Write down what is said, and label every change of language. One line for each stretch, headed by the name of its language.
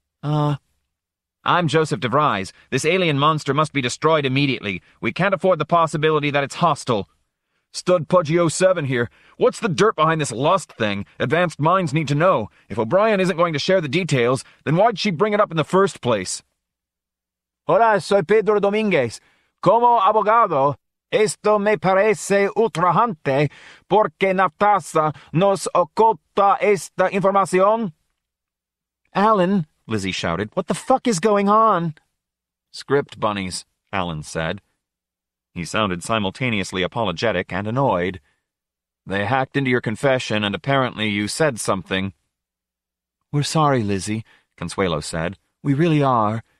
English: I'm Joseph DeVries. This alien monster must be destroyed immediately. We can't afford the possibility that it's hostile. Stud Pudgy 07 here. What's the dirt behind this lust thing? Advanced minds need to know. If O'Brien isn't going to share the details, then why'd she bring it up in the first place?
Spanish: Hola, soy Pedro Dominguez. Como abogado, esto me parece ultrajante porque Naftasa nos oculta esta información.
English: Alan, Lizzie shouted, what the fuck is going on? Script bunnies, Alan said. He sounded simultaneously apologetic and annoyed. They hacked into your confession and apparently you said something. We're sorry, Lizzie, Consuelo said. We really are.